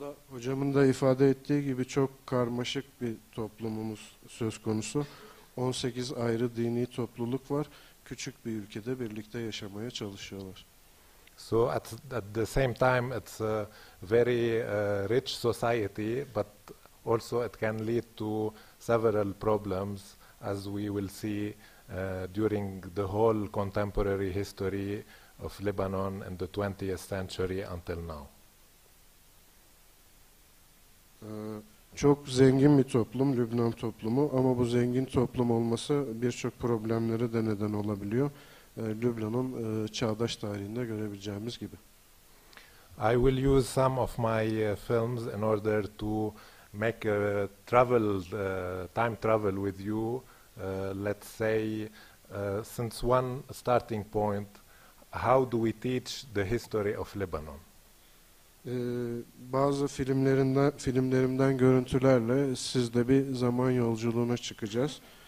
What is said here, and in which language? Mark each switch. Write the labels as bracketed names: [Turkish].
[Turkish] Hocamın da ifade ettiği gibi çok karmaşık bir toplumumuz söz konusu. 18 ayrı dini topluluk var. Küçük bir ülkede birlikte yaşamaya çalışıyorlar. [English] So at the same time it's a very rich society, but also it can lead to several problems, as we will see during the whole contemporary history of Lebanon in the 20th century until now. [Turkish] Çok zengin bir toplum, Lübnan toplumu, ama bu zengin toplum olması birçok problemlere de neden olabiliyor. Lübnan'ın çağdaş tarihinde görebileceğimiz gibi. [English] I will use some of my films in order to make a travel, time travel with you. Let's say, since one starting point, how do we teach the history of Lebanon? [Turkish] Bazı filmlerimden görüntülerle sizde bir zaman yolculuğuna çıkacağız.